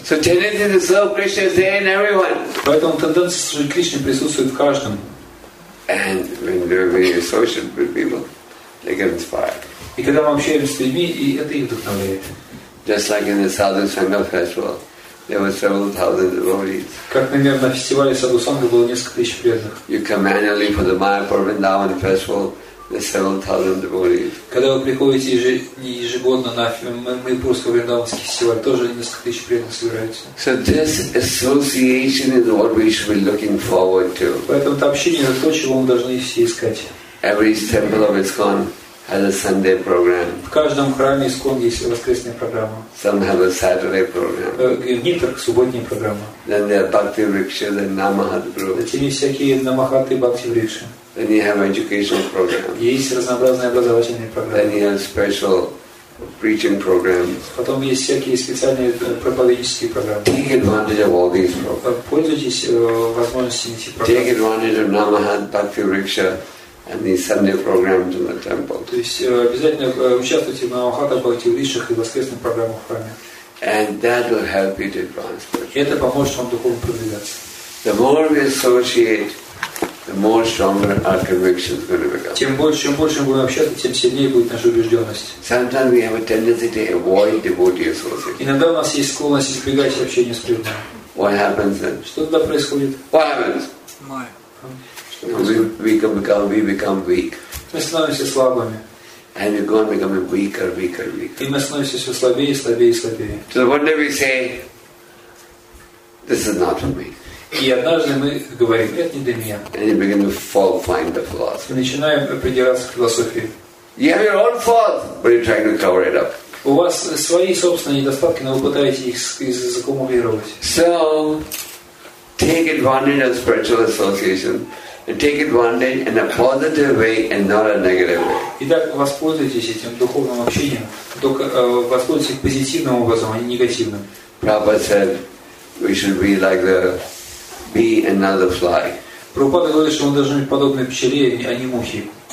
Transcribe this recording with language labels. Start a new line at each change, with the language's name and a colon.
English: So tendency to serve Krishna is there in everyone.
Russian: Поэтому тенденция служить Кришне присутствует в каждом.
English: And when you're associated with people, they get inspired.
Russian: И когда вы общаетесь с людьми, и это их вдохновляет.
English: Just like in the Southern Sangha festival. There were several thousand devotees.
Russian: Как, например, на фестивале Саду Санга было несколько тысяч преданных.
English: You come annually for the Mayapur Vrindavan festival. There's several thousand devotees.
Russian: Когда вы приходите ежегодно на Майпурский Вриндаванский фестиваль, тоже несколько тысяч преданных собираются.
English: So this association is what we should be looking forward to.
Russian: Поэтому это общение, это то, чего мы должны все искать.
English: Every temple of ISKCON has a Sunday program.
Russian: В каждом храме ИСККОН есть воскресная программа.
English: Some have a Saturday program.
Russian: Некоторых субботняя программа.
English: Then there are Bhakti Rikshas and Namahat groups.
Russian: Затем есть всякие Намахаты и Бхакти Рикши.
English: Then you have educational program.
Russian: Есть разнообразные образовательные программы.
English: Then you have special preaching programs.
Russian: Потом есть всякие специальные проповеднические программы.
English: Take advantage of all these programs.
Russian: Пользуйтесь возможностями этих программ.
English: Take advantage of Namahant Bhakti Riksha and these Sunday programs in the temple.
Russian: То есть обязательно участвуйте в Намахата Бхакти Ришах и воскресных программах в храме.
English: And that will help you to advance.
Russian: Это поможет вам духовно продвигаться.
English: The more we associate, the more stronger our conviction is going to become.
Russian: Чем больше, чем больше мы будем общаться, тем сильнее будет наша убежденность.
English: Sometimes we have a tendency to avoid devotee association.
Russian: Иногда у нас есть склонность избегать общения с преданными.
English: What happens then?
Russian: Что тогда происходит?
English: What happens? We become weak.
Russian: Мы становимся слабыми.
English: And you're going to become weaker.
Russian: И мы становимся все слабее, слабее, слабее.
English: So one day we say, this is not for me.
Russian: И однажды мы говорим, это не для меня.
English: And you begin to fall, find the flaws.
Russian: И начинаем придираться к философии.
English: You have your own faults, but you're trying to cover it up.
Russian: У вас свои собственные недостатки, но вы пытаетесь их закамуфлировать.
English: So, take advantage of spiritual association. And take advantage in a positive way and not a negative way.
Russian: Итак, воспользуйтесь этим духовным общением, только воспользуйтесь позитивным образом, а не негативным.
English: Prabhupada said, we should be like the bee and not the fly.
Russian: Прабхупада говорит, что мы должны быть подобны пчеле, а не мухе.